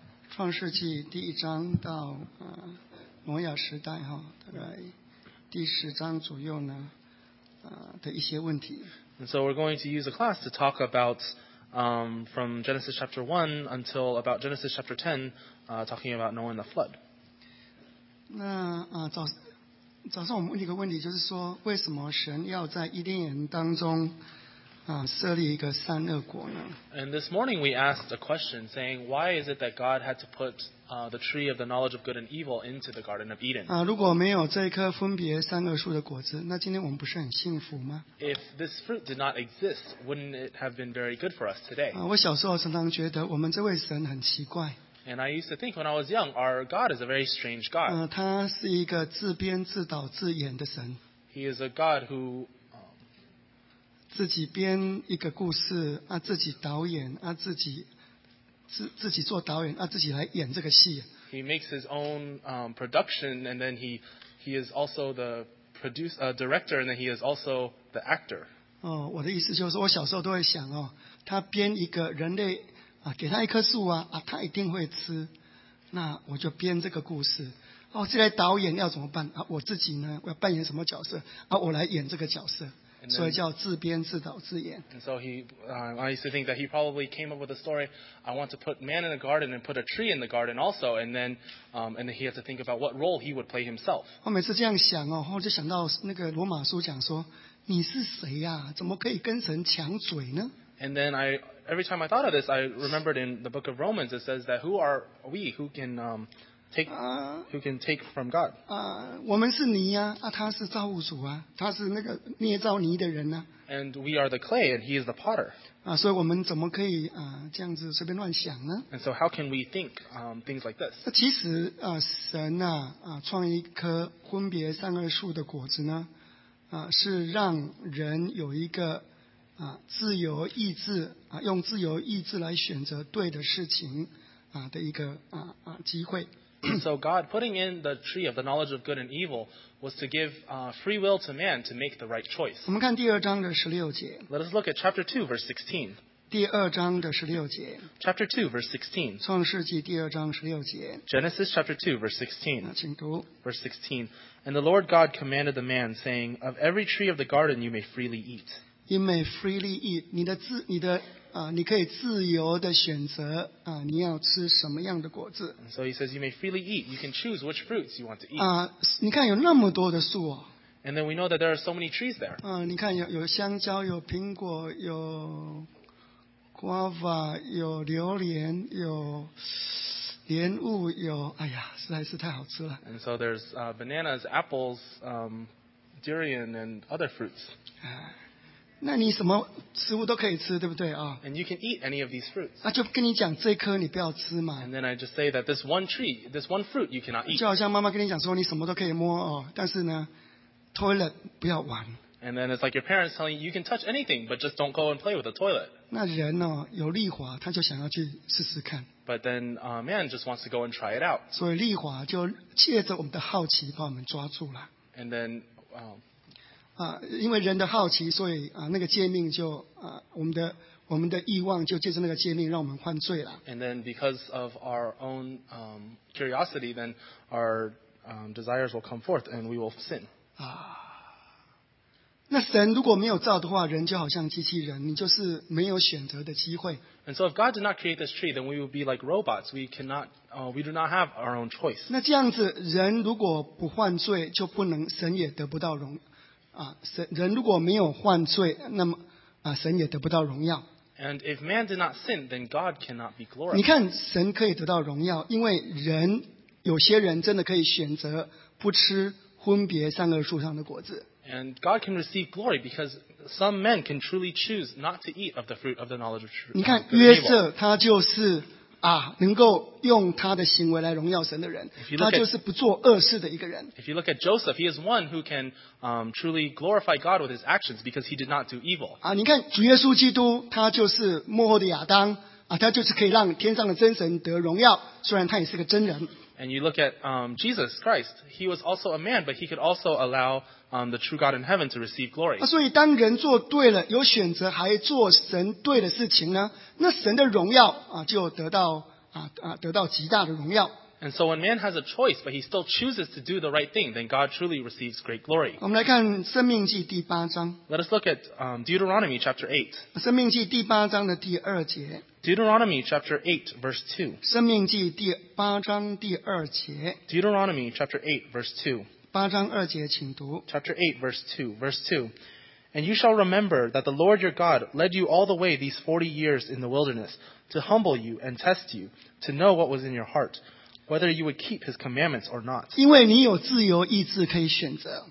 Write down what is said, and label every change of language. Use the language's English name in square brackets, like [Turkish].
[Chinese] 创世纪第一章到挪亚时代哈，大概第十章左右呢，的一些问题。 [English] And so we're going to use a class to talk about, from Genesis chapter 1 until about Genesis chapter 10, talking about Noah and the flood. [Chinese] 那早上我们问一个问题，就是说为什么神要在伊甸园当中？ [English] And this morning we asked a question saying, why is it that God had to put the tree of the knowledge of good and evil into the Garden of Eden? [Chinese] 如果没有这颗分别善恶树的果子，那今天我们不是很幸福吗？ [English] If this fruit did not exist, wouldn't it have been very good for us today? [Chinese] 我小时候常常觉得我们这位神很奇怪。 [English] And I used to think when I was young, our God is a very strange God. [Chinese] 他是一个自编自导自演的神。 [English] He is a God who... [Chinese] 自己编一个故事啊，自己导演啊，自己做导演啊，自己来演这个戏。 [English] He makes his own production, and then he is also the producer, director, and then he is also the actor. [Chinese] 哦，我的意思就是，我小时候都会想哦，他编一个人类啊，给他一棵树啊，他一定会吃，那我就编这个故事。哦，这位导演要怎么办啊？我自己呢，我要扮演什么角色啊？我来演这个角色。 [English] Then, [Chinese] 所以叫自编自导自演。 [English] And so I used to think that he probably came up with a story. I want to put man in a garden and put a tree in the garden also. And then, he had to think about what role he would play himself. [Chinese] 我每次这样想哦，我就想到那个罗马书讲说，你是谁呀？怎么可以跟神抢嘴呢？ [English] And then every time I thought of this, I remembered in the book of Romans it says that who are we who can take from God? [Chinese] 我们是泥啊，他是造物主啊，他是那个捏造泥的人啊。 [English] And we are the clay, and he is the potter. [Chinese] 所以我们怎么可以这样子随便乱想呢？ [English] And so how can we think things like this? [Chinese] 其实神创一棵分别善恶树的果子呢，是让人有一个自由意志用自由意志来选择对的事情的一个机会。 [English] So God putting in the tree of the knowledge of good and evil was to give free will to man to make the right choice. [Chinese] 我们看第二章的十六节。 [English] Let us look at chapter 2, verse 16. [Chinese] 第二章的十六节。 [English] Chapter 2, verse 16. [Chinese] 创世纪第二章十六节。 [English] Genesis chapter 2, verse 16. [Chinese] 请读。 [English] Verse 16. And the Lord God commanded the man, saying, Of every tree of the garden you may freely eat. You may freely eat. [Chinese] 你可以自由的选择你要吃什么样的果子。 [English] So he says you may freely eat. You can choose which fruits you want to eat. [Chinese] 你看有那么多的树哦。 [English] And then we know that there are so many trees there. [Chinese] 你看有香蕉，有苹果，有guava，有榴莲，有莲雾，有哎呀，实在是太好吃了。 [English] And so there's bananas, apples, durian, and other fruits. [Chinese] 那你什么食物都可以吃，对不对啊？ [English] And you can eat any of these fruits. [Chinese] 就跟你讲这颗你不要吃嘛。 [English] And then I just say that this one tree, this one fruit you cannot eat. [Chinese] 就好像妈妈跟你讲说你什么都可以摸哦，但是呢 ，toilet 不要玩。 [English] And then it's like your parents telling you you can touch anything, but just don't go and play with the toilet. [Chinese] 那人哦，有利华，他就想要去试试看。 [English] But then a man just wants to go and try it out. [Chinese] 所以利华就借着我们的好奇把我们抓住了。 [English] And then, [Chinese] 因为人的好奇，所以那个诫命就我们的欲望就借着那个诫命让我们犯罪了。 [English] And then because of our own curiosity, then our desires will come forth and we will sin. [Chinese] 那神如果没有造的话，人就好像机器人，你就是没有选择的机会。 [English] And so if God did not create this tree, then we would be like robots. We cannot, we do not have our own choice. [Chinese] 那这样子，人如果不犯罪，就不能神也得不到荣耀。人如果没有犯罪，那么神也得不到荣耀。 [English] And if man did not sin, then God cannot be glorified. [Chinese] 你看，神可以得到荣耀，因为人有些人真的可以选择不吃分别善恶树上的果子。 [English] And God can receive glory because some men can truly choose not to eat of the fruit of the knowledge of truth. [Chinese] 你看约瑟，他就是能够用他的行为来荣耀神的人，他就是不做恶事的一个人。 [English] If you look at Joseph, he is one who can truly glorify God with his actions because he did not do evil. [Chinese] 你看主耶稣基督，他就是幕后的亚当他就是可以让天上的真神得荣耀，虽然他也是个真人。 [English] And you look at Jesus Christ, he was also a man, but he could also allow the true God in heaven to receive glory. [Chinese] 所以当人做对了，有选择还做神对的事情呢，那神的荣耀就得到得到极大的荣耀。 [English] And so when man has a choice, but he still chooses to do the right thing, then God truly receives great glory. [Chinese] 我们来看《生命记》第八章。 [English] Let us look at Deuteronomy chapter 8. [Chinese] 生命记第八章的第二节。 [English] Deuteronomy chapter 8, verse 2. [Chinese] 生命记第八章第二节。 [English] Deuteronomy chapter 8, verse 2. [Chinese] 八章二节，请读。 [English] Chapter 8, verse 2. Verse 2. And you shall remember that the Lord your God led you all the way these 40 years in the wilderness to humble you and test you, to know what was in your heart. Whether you would keep his commandments or not. [Chinese] 因为你有自由意志可以选择。